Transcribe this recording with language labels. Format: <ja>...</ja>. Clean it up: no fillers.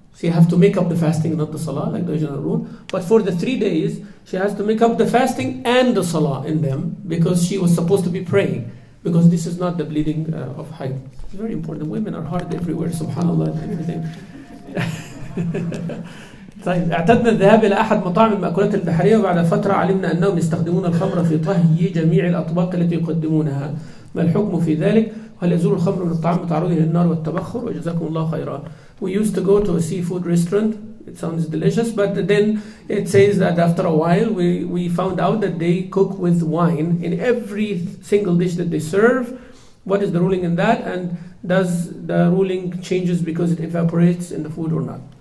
<en>She has to make up the fasting, not the salah, like the original rule. But for the 3 days, she has to make up the fasting and the salah in them because she was supposed to be praying, because this is not the bleeding of haid. It's very important. Women are hard everywhere, subhanAllah, and everything.</en> <ar>طيب اعتدنا الذهاب إلى أحد مطاعم المأكولات البحرية وبعد فترة علمنا أنهم يستخدمون الخمر في طهي جميع الأطباق التي يقدمونها، ما الحكم في ذلك؟ هل يزول الخمر من الطعام تعرضه للنار والتبخر؟ وجزاكم الله خيرا.</ar> <en>We used to go to a seafood restaurant. It sounds delicious, but then it says that after a while we found out that they cook with wine in every single dish that they serve. What is the ruling in that, and does the ruling changes because it evaporates in the food or not?</en>